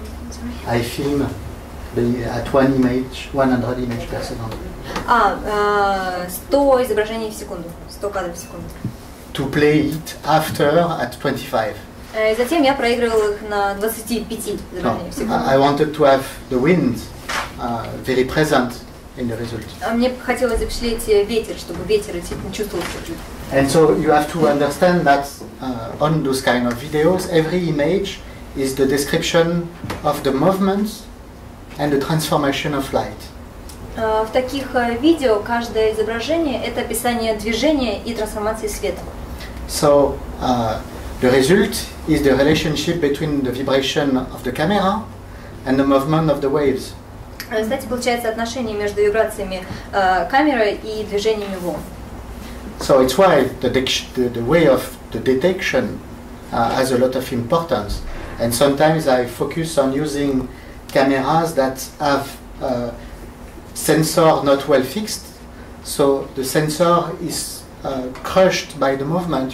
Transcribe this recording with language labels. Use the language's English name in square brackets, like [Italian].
[English] Sorry. I film at 100 images per second. [Russian] 100 изображений в секунду, 100 кадров в секунду. [English] To play it after at 25. [Russian] И затем я проигрывал их на 25 изображений в секунду. [English] I wanted to have the wind very present in the result. [Russian] Мне хотелось запечатлеть ветер, чтобы ветер чувствовался. [English] And so you have to understand that on those kind of videos, every image is the description of the movements and the transformation of light. [Russian] В таких видео каждое изображение — это описание движения и трансформации света. [English] So the result is the relationship between the vibration of the camera and the movement of the waves. [Russian] Кстати, получается отношение между вибрациями камеры и движениями волн. [English] So it's why the way of the detection has a lot of importance. And sometimes I focus on using cameras that have a sensor not well fixed. So the sensor is crushed by the movement.